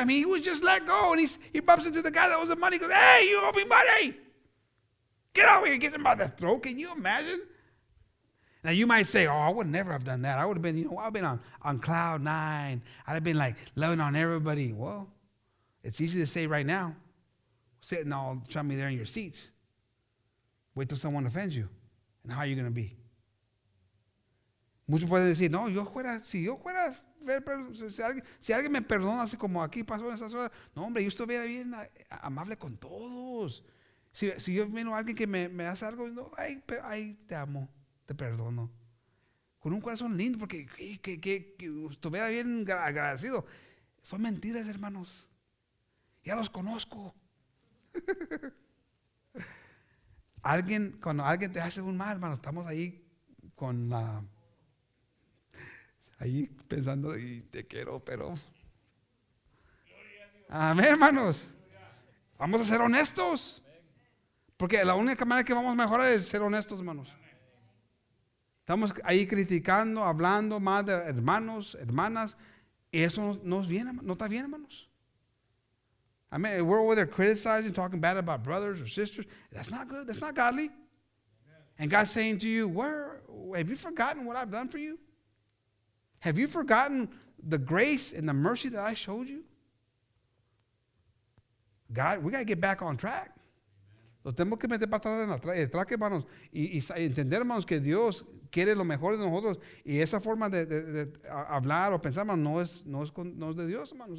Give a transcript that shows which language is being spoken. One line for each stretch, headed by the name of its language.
English: I mean, he was just let go and he bumps into the guy that owes the money. He goes, hey, you owe me money. Get out of here. Gets him by the throat. Can you imagine? Now you might say, oh, I would never have done that. I would have been, you know, I've been on cloud nine. I'd have been like loving on everybody. Well, it's easy to say right now, sitting all chummy there in your seats. Wait till someone offends you. And how are you going to be?
Spanish: Muchos pueden decir, no, si yo fuera, si alguien me perdona, así como aquí pasó en esas horas, no, hombre, yo estuviera bien amable con todos. Si yo vino a alguien que me hace algo, no, ay, pero ay, te amo. Te perdono. Con un corazón lindo, porque que estuviera bien agradecido. Son mentiras, hermanos. Ya los conozco. Cuando alguien te hace un mal, hermano, estamos ahí con la. Ahí pensando, y te quiero, pero. Amén, hermanos. Vamos a ser honestos. Porque la única manera que vamos a mejorar es ser honestos, hermanos. Estamos ahí criticando, hablando mal de hermanos, hermanas, y eso no está bien, hermanos.
English: I mean, we're over there criticizing, talking bad about brothers or sisters. That's not good. That's not godly. And God's saying to you, have you forgotten what I've done for you? Have you forgotten the grace and the mercy that I showed you? God, we got to get back on track.
Spanish: Lo tenemos que meter para atrás en el traque, hermanos, y entender, hermanos, que Dios quiere lo mejor de nosotros. Y esa forma de hablar o pensar, hermanos, no es de Dios, hermanos.